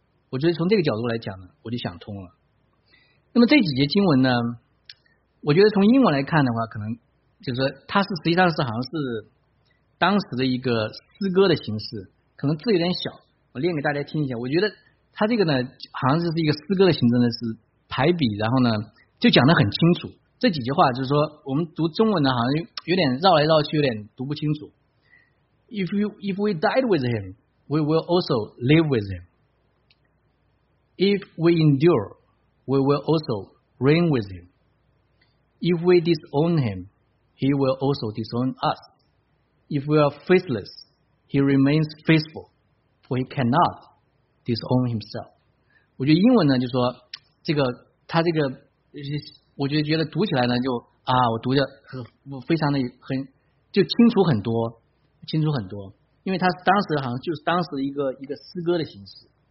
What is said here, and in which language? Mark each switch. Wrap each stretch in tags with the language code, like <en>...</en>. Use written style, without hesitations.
<zh>我觉得从这个角度来讲呢，我就想通了。那么这几节经文呢，我觉得从英文来看的话，可能就是它是实际上是好像是当时的一个诗歌的形式，可能字有点小，我念给大家听一下。我觉得他这个呢，好像就是一个诗歌的形式呢，是排比，然后呢就讲得很清楚。这几句话就是说，我们读中文呢，好像有点绕来绕去，有点读不清楚。</zh> <en>If we died with him, we will also live with him. If we endure, we will also reign with him. If we disown him, he will also disown us. If we are faithless, he remains faithful, for he cannot disown himself.</en> <zh>我觉得英文呢，就说这个他这个。我觉得读起来呢，就啊，我读的非常的很就清楚很多，清楚很多，因为他当时好像就是当时一个诗歌的形式。</zh>